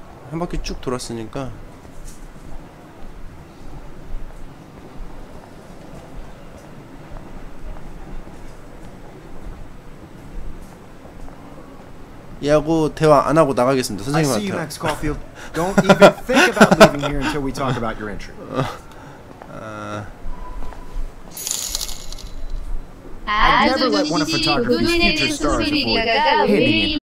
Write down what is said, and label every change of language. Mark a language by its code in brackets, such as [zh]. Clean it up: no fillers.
[ko] 한 바퀴 쭉 돌았으니까. 얘하고 대화 안 하고 나가겠습니다. 선생님한테. [en] I see you, Max Caulfield. Don't even think about leaving here until we talk about your entry. [ko] 아주 좋으신 그분의 소스리디아가 왜